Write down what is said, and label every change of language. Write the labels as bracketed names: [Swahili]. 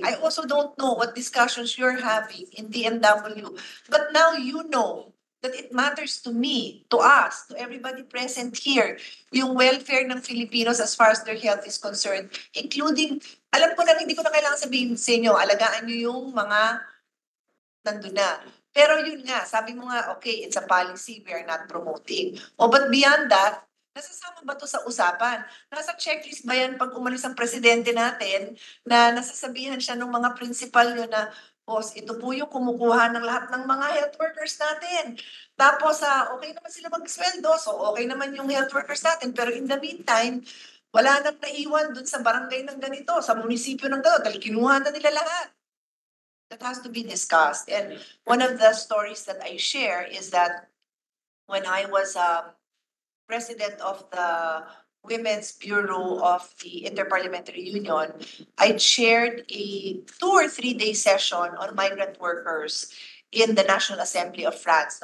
[English] I also don't know what discussions you're having in DMW, but now you know that it matters to me, to us, to everybody present here, yung welfare ng Filipinos as far as their health is concerned, including, [Filipino] alam ko na, hindi ko na kailangan sabihin sa inyo, alagaan nyo yung mga nandun na. Pero yun nga, sabi mo nga, [English] okay, it's a policy, we are not promoting. But beyond that, [Filipino] nasasama ba to sa usapan? Nasa checklist ba yan pag umalis ang presidente natin na nasasabihan siya ng mga principal yun na, boss, ito po yung kumukuha ng lahat ng mga health workers natin. Tapos, okay naman sila magsweldo, so okay naman yung health workers natin. Pero in the meantime, wala nang naiwan dun sa barangay ng ganito, sa munisipyo ng ganito, dahil kinuha na nila lahat. [English] That has to be discussed. And one of the stories that I share is that when I was president of the Women's Bureau of the Interparliamentary Union, I chaired a 2 or 3 day session on migrant workers in the National Assembly of France.